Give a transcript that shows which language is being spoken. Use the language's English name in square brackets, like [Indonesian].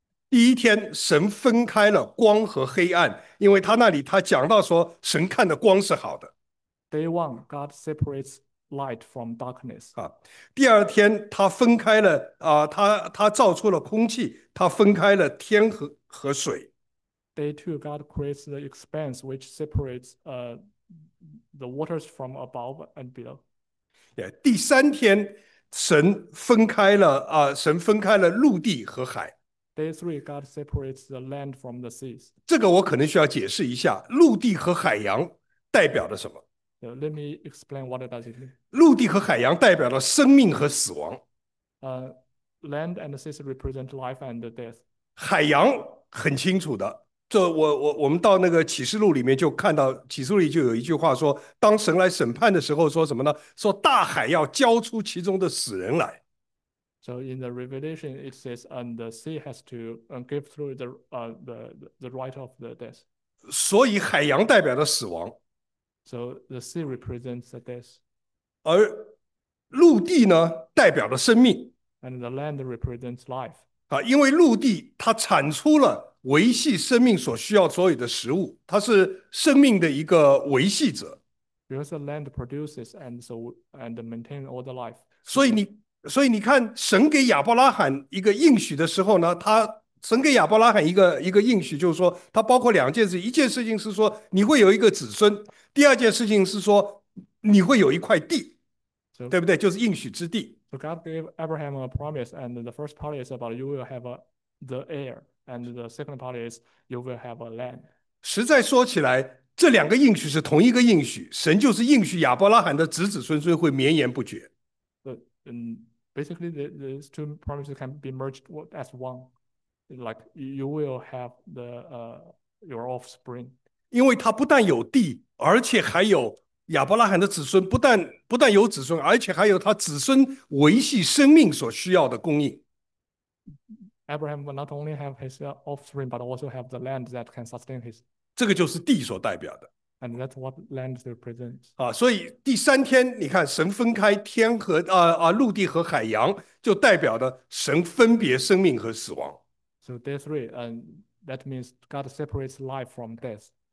[Chinese] 第一天，神分开了光和黑暗，因为他讲到说，神看的光是好的。 [English] Day one, God separates light from darkness. [Chinese] 第二天他分开了他造出了空气，他分开了天和水。 [English] Day two, God creates the expanse which separates the waters from above and below. [Chinese] 第三天神分开了陆地和海。 [English] Day three, God separates the land from the seas. [Chinese] 这个我可能需要解释一下，陆地和海洋代表了什么？ [English] Let me explain what does it mean. [Chinese] 陆地和海洋代表了生命和死亡， [English] Land and seas represent life and death. [Chinese] 海洋很清楚的。我们到那个启示录里面就看到，启示录里就有一句话说，当神来审判的时候，说什么呢？说大海要交出其中的死人来。 [English] So in the Revelation, it says, and the sea has to give through the right of the death. [Chinese] 所以海洋代表了死亡。 [English] So the sea represents the death, [Chinese] 而陆地呢，代表了生命， [English] and the land represents life. [Chinese] 因为陆地它产出了维系生命所需要所有的食物，它是生命的一个维系者。 [English] Because the land produces and maintain all the life system. [Chinese] 所以你看，神给亚伯拉罕一个应许的时候呢，神给亚伯拉罕一个应许，就是说，它包括两件事，一件事情是说你会有一个子孙，第二件事情是说你会有一块地。对不对？就是应许之地。 [English] So God gave Abraham a promise, and the first part is about you will have the heir, and the second part is you will have a land. [Chinese] 实在说起来，这两个应许是同一个应许，神就是应许亚伯拉罕的子子孙孙会绵延不绝。 [English] basically these two parameters can be merged as one. Like you will have the your offspring. [Chinese] 因为他不但有地，而且还有。亚伯拉罕的子孙不但有子孙，而且还有他子孙维系生命所需要的供应。Abraham [English] will not only have his offspring, but also have the land that can sustain his. [Chinese] 这个就是地所代表的。 [English] And that's what land represents. [Chinese] 所以第三天，你看神分开天和陆地和海洋，就代表的神分别生命和死亡。 [English] So day three, and that means God separates life from death.